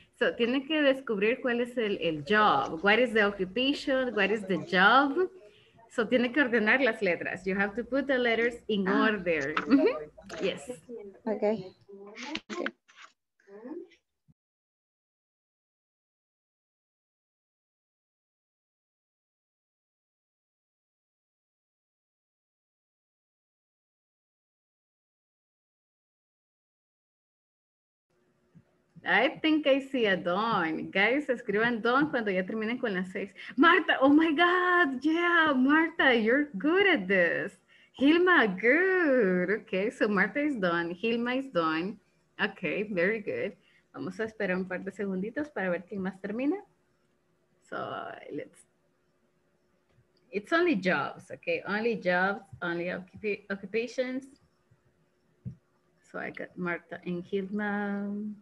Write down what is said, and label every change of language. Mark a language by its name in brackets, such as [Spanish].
[Spanish] So, tiene que descubrir cuál es el job. [English] What is the occupation? What is the job? So, [Spanish] tiene que ordenar las letras. [English] You have to put the letters in order. Mm-hmm. Yes. Okay. I think I see a Dawn. [Spanish] Guys, escriban Dawn cuando ya terminen con las 6. [English] Marta, oh my God, yeah, Marta, you're good at this. Hilma, good. Okay, so Marta is Dawn, Hilma is Dawn. Okay, very good. [Spanish] Vamos a esperar un par de segunditos para ver quién más termina. [English] So, let's... It's only jobs, okay? Only jobs, only occupations. So I got Marta and Hilma.